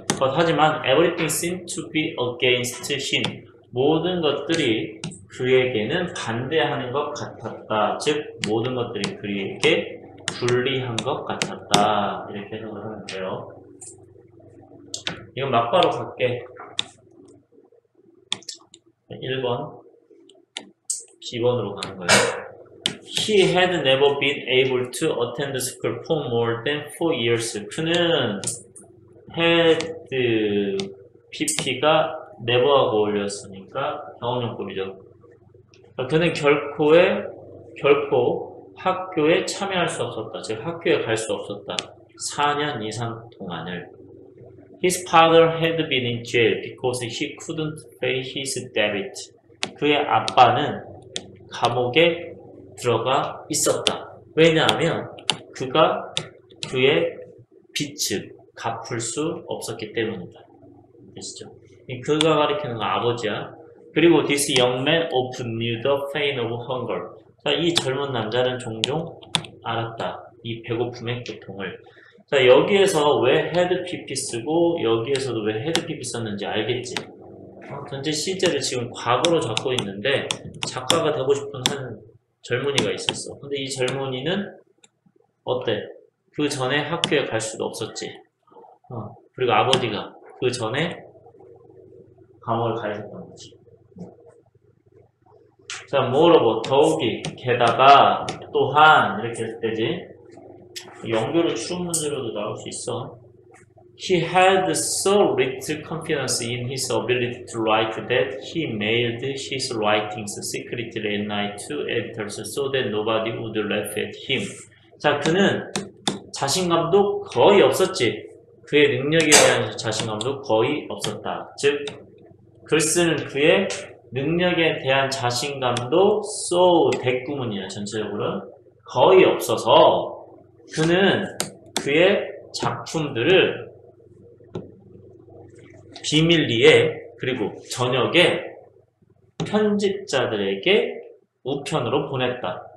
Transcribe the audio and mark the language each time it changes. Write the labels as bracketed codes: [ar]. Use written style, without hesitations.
[en] But [ko] 하지만 [en] everything seemed to be against him. [ko] 모든 것들이 그에게는 반대하는 것 같았다. 즉, 모든 것들이 그에게 불리한 것 같았다. 이렇게 해석을 하는데요. 이건 막바로 갈게. 1번. 기본으로 가는 거예요. [en] He had never been able to attend school for more than 4 years. [ko] 그는 had PP가 never하고 올렸으니까 경험용법이죠. 그는 결코 학교에 참여할 수 없었다. 즉, 학교에 갈수 없었다. 4년 이상 동안을. [en] His father had been in jail because he couldn't pay his debt. [ko] 그의 아빠는 감옥에 들어가 있었다. 왜냐하면 그가 그의 빚을 갚을 수 없었기 때문이다. 아시죠? 그가 가리키는 건 아버지야. 그리고 [en] this young man often knew the pain of hunger. [ko] 자, 이 젊은 남자는 종종 알았다. 이 배고픔의 고통을. 자, 여기에서 왜 had PP 쓰고, 여기에서도 왜 had PP 썼는지 알겠지? 전체 시제를 지금 과거로 잡고 있는데, 작가가 되고 싶은 한 젊은이가 있었어. 근데 이 젊은이는, 어때? 그 전에 학교에 갈 수도 없었지. 그리고 아버지가 그 전에 감옥을 가셨던 거지. 자, 뭐로 더욱이, 게다가, 또한, 이렇게 했을 때지. 연결을 추론 문제로도 나올 수 있어. [en] He had so little confidence in his ability to write that he mailed his writings secretly at night to editors so that nobody would laugh at him. [ko] 자, 그는 자신감도 거의 없었지. 그의 능력에 대한 자신감도 거의 없었다. 즉, 글 쓰는 그의 능력에 대한 자신감도 so 대꾸문이야, 전체적으로는. 거의 없어서 그는 그의 작품들을 비밀리에 그리고 저녁에 편집자들에게 우편으로 보냈다.